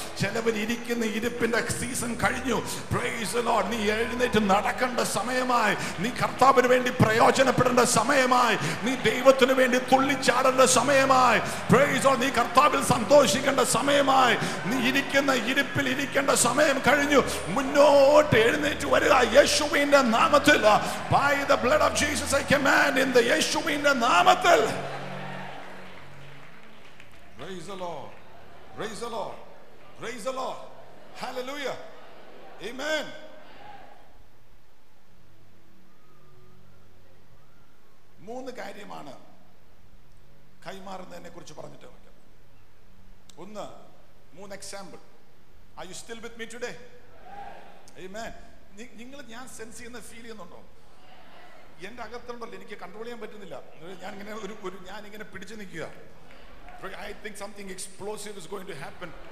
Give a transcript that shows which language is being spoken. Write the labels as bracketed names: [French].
[Malayalam] ചിലവരിയ്ക്കുന്ന ഇരിപ്പിന്റെ season കഴിഞ്ഞു. [English] പ്രൈസോ ലോർഡ്, [Malayalam] നീ എഴുന്നേറ്റ് നടക്കേണ്ട സമയമായി. നീ കർത്താവിന് വേണ്ടി പ്രയോജനപ്പെടേണ്ട സമയമായി. നീ ദൈവത്തിന് വേണ്ടി തുള്ളിച്ചാടേണ്ട സമയമായി. പ്രൈസോ, നീ കർത്താവിൽ സന്തോഷിക്കേണ്ട സമയമായി. നീ ഇരിക്കുന്ന ഇരിപ്പിൽ ഇരിക്കേണ്ട സമയം കഴിഞ്ഞു. മുന്നോട്ട് എഴുന്നേറ്റ് വരിക യേശുവിന്റെ നാമത്തിൽ. [English] By the blood of Jesus I command in the [Malayalam] യേശുവിന്റെ നാമത്തിൽ. [English] Praise the Lord, praise the Lord, praise the Lord, hallelujah, amen. [Malayalam] മൂന്ന് കാര്യമാണ് കൈമാറുന്നതിനെ കുറിച്ച് പറഞ്ഞിട്ട് വെക്കാം. ഒന്ന്, മൂന്ന് example. [English] Are you still with me today? Amen. [Malayalam] നിങ്ങള് ഞാൻ സെൻസ് ചെയ്യുന്ന ഫീൽ ചെയ്യുന്നുണ്ടോ? എന്റെ അകത്തുണ്ടല്ലോ, എനിക്ക് കൺട്രോൾ ചെയ്യാൻ പറ്റുന്നില്ല. ഞാൻ ഇങ്ങനെ ഒരു ഞാൻ ഇങ്ങനെ പിടിച്ചു നിൽക്കുക. [English] I think something explosive is going to happen.